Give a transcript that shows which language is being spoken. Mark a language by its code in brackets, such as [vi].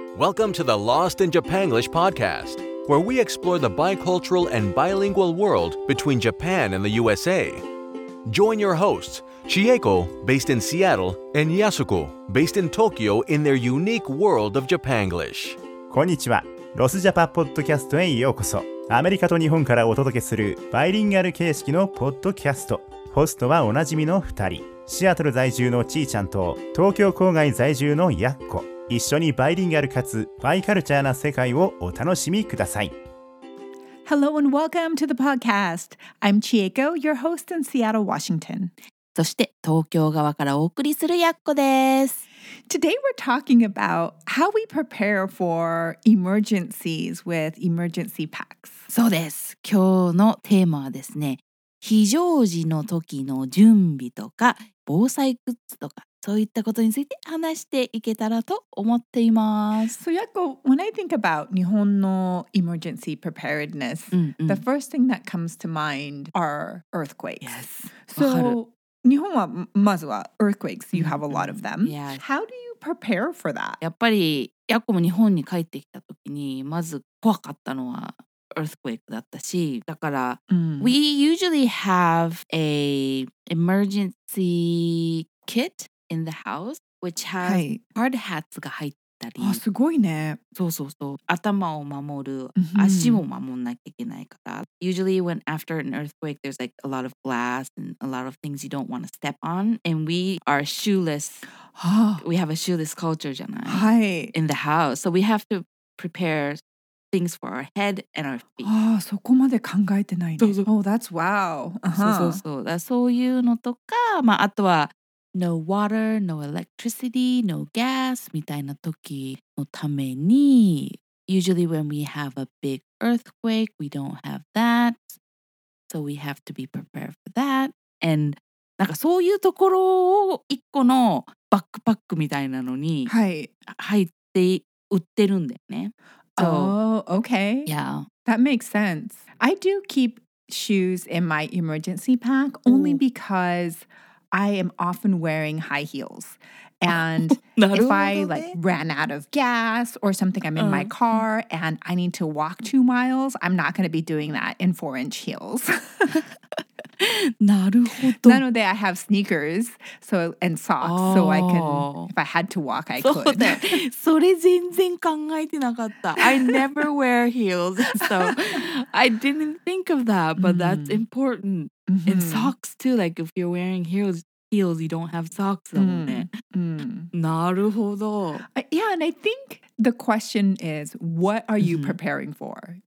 [en] Welcome to the Lost in Japanglish podcast, where we explore the bicultural and bilingual world between Japan and the USA. Join your hosts, Chieko, based in Seattle, and Yasuko, based in Tokyo, in their unique world of Japanglish. [ja] こんにちは。ロスジャパポッドキャストへようこそ。アメリカと日本からお届けするバイリンガル形式のポッドキャスト。ホストはおなじみの2人。シアトル在住のちーちゃんと東京郊外在住のやっこ。一緒にバイリンガルかつバイカルチャーな世界をお楽しみください。 [en] Hello and welcome to the podcast. I'm Chieko, your host in Seattle, Washington. [ja] そして東京側からお送りするやっこです。 [en] Today we're talking about how we prepare for emergencies with emergency packs. [ja] そうです。今日のテーマはですね、非常時の時の準備とか防災グッズとかそういったことについて話していけたらと思っています。 [en] So Yako, when I think about 日本の emergency preparedness, the first thing that comes to mind are earthquakes. Yes. So [ja] 日本はまずは [en] earthquakes. You have a lot of them. Yes. How do you prepare for that? [ja] やっぱりヤコも日本に帰ってきた時にまず怖かったのは earthquake だったし、だから、 [en] we usually have a emergency kit in the house, which has hard hats [ja] が入ったり。あ、すごいね。そうそうそう。頭を守る、足も守んなきゃいけないから。 [en] Usually when after an earthquake, there's like a lot of glass and a lot of things you don't want to step on. And we are shoeless. We have a shoeless culture [ja] じゃない。はい。 [en] In the house. So we have to prepare things for our head and our feet. [ja] あ、そこまで考えてないね。そうそう。 [en] Oh, that's wow. Uh-huh. [ja] そうそうそう。そういうのとか、まあ、あとは、 [en] No water, no electricity, no gas, [ja] みたいな時のために [en] usually when we have a big earthquake, we don't have that. So we have to be prepared for that. [ja] And なんかそういうところを一個のバックパックみたいなのに入って売ってるんだよね。 [en] So, oh, okay. Yeah. That makes sense. I do keep shoes in my emergency pack only because... I am often wearing high heels. And if I like ran out of gas or something, I'm in my car and I need to walk 2 miles, I'm not going to be doing that in 4-inch heels. [ja] なるほど。 [en] なので I have sneakers and socks so I can, if I had to walk, I could. [ja] それ全然考えてなかった。 [en] I never wear heels, so I didn't think of that, but that's important. Mm-hmm. And socks too, like if you're wearing heels, you don't have socks on it. [ja] なるほど。 [en] Yeah, and I think the question is, what are you preparing for?